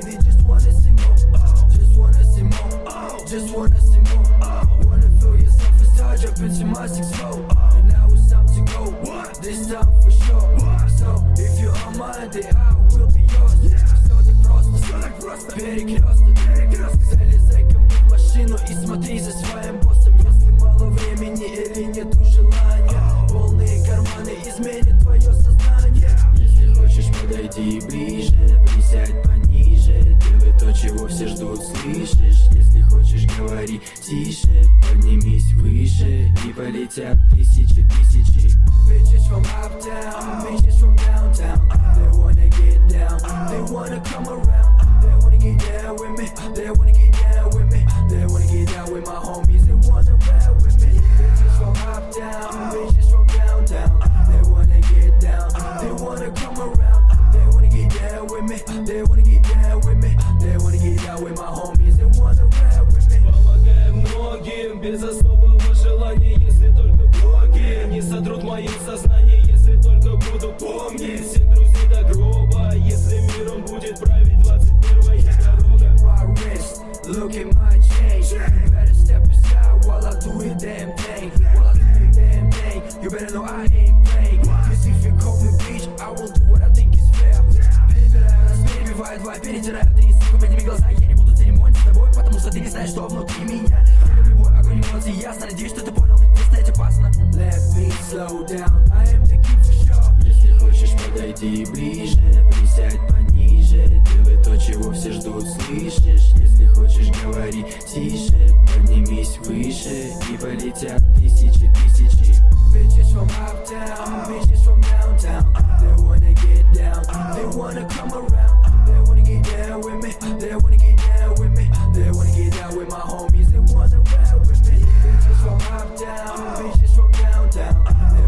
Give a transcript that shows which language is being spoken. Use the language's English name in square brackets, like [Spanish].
[English] They just wanna see more. Just wanna see more. Just wanna see more. Wanna feel yourself and start jumping to my 6-4. And now it's time to go. What? This time for sure. What? So if you're on my day, I will be yours. Yeah. So the process, [Russian] перекрёсток, перекрёсток. Цели зэком, я в машину и смотри за своим боссом. Времени или нету желания, полные карманы изменят твое сознание. Если хочешь, подойди ближе, присядь пониже. Делай то, чего все ждут, слышишь. Если хочешь, говори тише, поднимись выше, и полетят тысячи, тысячи. [English] Bitches from uptown, bitches from downtown. They wanna get down, they wanna come around. They wanna get down with me, they wanna get down with me. They wanna get down with my homies, they wanna rap with me. Bitches from uptown, bitches from downtown. They wanna get down, they wanna come around. They wanna get down with me, they wanna get down with me. They wanna get down with my homies, they wanna rap with me. [Russian] Помогаем многим, без особого желания. Если только боги не сотрут мое сознание. Если только буду помнить всех друзей до гроба. Если миром будет править 21-я дорога. [English] Look at my chain. You better step aside while I do your damn thing. While I do your damn thing. You better know I ain't playing. Cause if you call me bitch, I will do what I think is fair. [Russian] Перебираю раз, перебиваю два, перетираю три. Сука, подними глаза, я не буду церемонить с тобой. Потому что ты не знаешь, что внутри меня. Я люблю мой огонь эмоций, ясно, надеюсь, что ты понял. Не стоять опасно. [English] Let me slow down, I am the king for sure. [Russian] Если хочешь, подойди ближе, присядь пониже. Делай то, чего все ждут, слышишь. Если хочешь, говори тише, поднимись выше, и полетят тысячи, тысячи. [English] Bitches from uptown, bitches from downtown. They wanna get down, they wanna come around. They wanna get down with me, they wanna get down with me. They wanna get down with my homies, they wanna rap with me. Bitches from uptown, bitches from downtown.